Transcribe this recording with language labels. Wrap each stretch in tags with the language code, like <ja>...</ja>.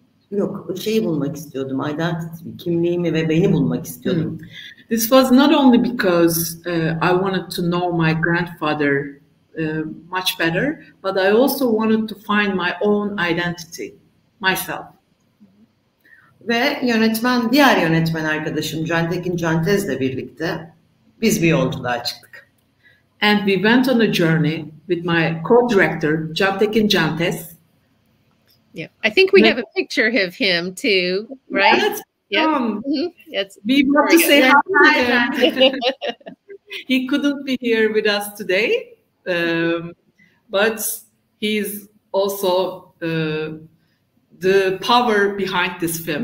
<tr>Yok, şeyi bulmak istiyordum, identity, kimliğimi ve beni bulmak istiyordum.</tr> <en>This was not only because I wanted to know my grandfather much better, but I also wanted to find my own identity, myself.</en> <tr>Ve yönetmen, diğer yönetmen arkadaşım Cantekin Cantez'le birlikte biz bir yolculuğa çıktık.</tr> <en>And we went on a journey with my co-director Cantekin Cantez. Yeah, I think we have a picture of him too, right? Yes. Yeah. Mm-hmm. Yes. We want to say hi to him. He couldn't be here with us today, but he's also the power behind this film.</en>